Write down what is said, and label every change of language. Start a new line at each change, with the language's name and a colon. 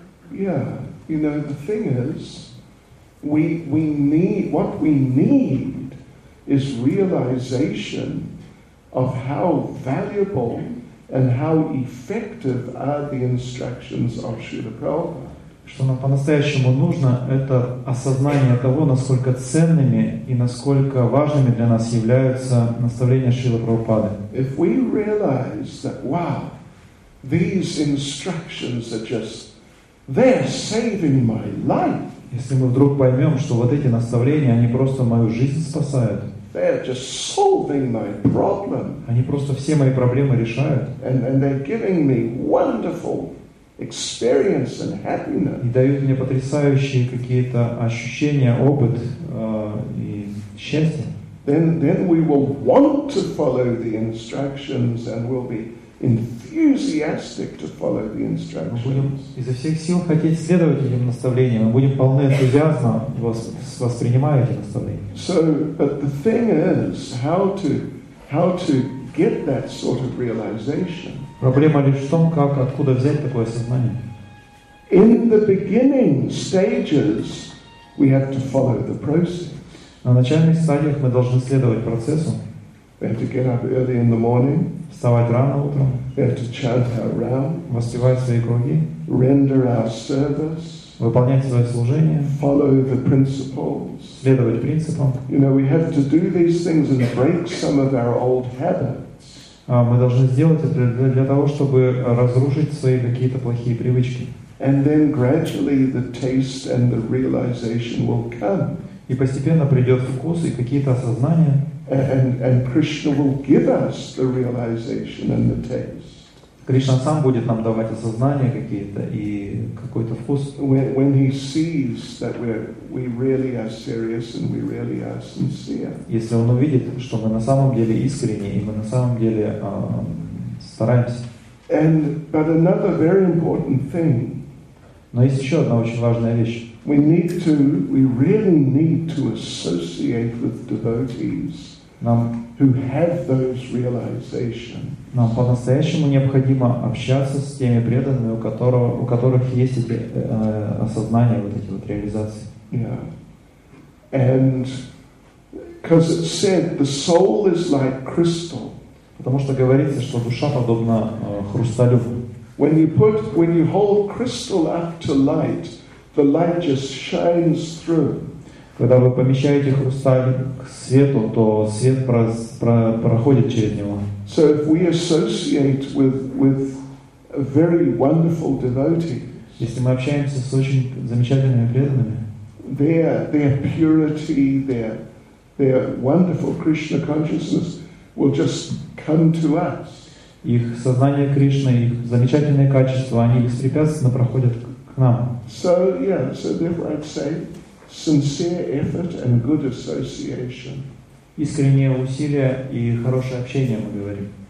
English: Yeah, you know, the thing is, what we need is realization of how valuable and how effective are the instructions of Srila Prabhupada.
Russian: Что нам по-настоящему нужно, это осознание того, насколько ценными и насколько важными для нас являются наставления Шрилы Прабхупады.
English: If we realize that, wow, these instructions are just they're saving my life.
Russian: Если мы вдруг поймем, что вот эти наставления, они просто мою жизнь спасают.
English: They're just solving my problem.
Russian: Они просто все мои проблемы решают.
English: And they're giving me wonderful experience and happiness.
Russian: И дают мне потрясающие какие-то ощущения, опыт и счастье.
English: Then we will want to follow the instructions and we'll be enthusiastic to follow the instructions.
Russian: Мы будем изо всех сил хотеть следовать этим наставлениям. Мы будем полны энтузиазма воспринимая эти наставления.
English: So, but the thing is, how to get that sort of realization?
Russian: Проблема лишь в том, как откуда взять такое сознание.
English: In the beginning stages, we have to follow the process.
Russian: На начальных стадиях мы должны следовать процессу.
English: We have to get up early in the morning.
Russian: Вставать рано утром.
English: We have to chant our round.
Russian: Воспевать свои круги.
English: Render our service.
Russian: Выполнять свое служение.
English: Follow the principles.
Russian: Следовать принципам.
English: You know, we have to do these things and break some of our old habits.
Russian: Мы должны сделать это для того, чтобы разрушить свои какие-то плохие привычки.
English: And then gradually the taste and the realization will come.
Russian: И постепенно придет вкус и какие-то осознания.
English: And Krishna will give us the realization and the taste.
Russian: Кришна сам будет нам давать осознания какие-то и какой-то вкус.
English: When he sees that we really are serious and we really are sincere.
Russian: Если он увидит, что мы на самом деле искренние и мы на самом деле стараемся.
English: But another very important thing.
Russian: Но есть еще одна очень важная вещь.
English: We really need to associate with devotees who have those realizations.
Russian: Нам по-настоящему необходимо общаться с теми преданными, у которых есть эти осознания, вот эти вот реализации.
English: Yeah. And because it said the soul is like crystal.
Russian: Потому что говорится, что душа подобна хрусталю.
English: When you hold crystal up to light, the light just shines through.
Russian: Когда вы помещаете хрусталик к свету, то свет проходит через него.
English: So if we associate with very wonderful devotees,
Russian: если мы общаемся с очень замечательными преданными,
English: their purity, their wonderful Krishna consciousness will just come to us.
Russian: Их сознание Кришны, их замечательные качества, они беспрепятственно проходят к нам.
English: So yeah, so therefore I'd say sincere effort and good association.
Russian: Искренние усилия и хорошее общение, мы говорим.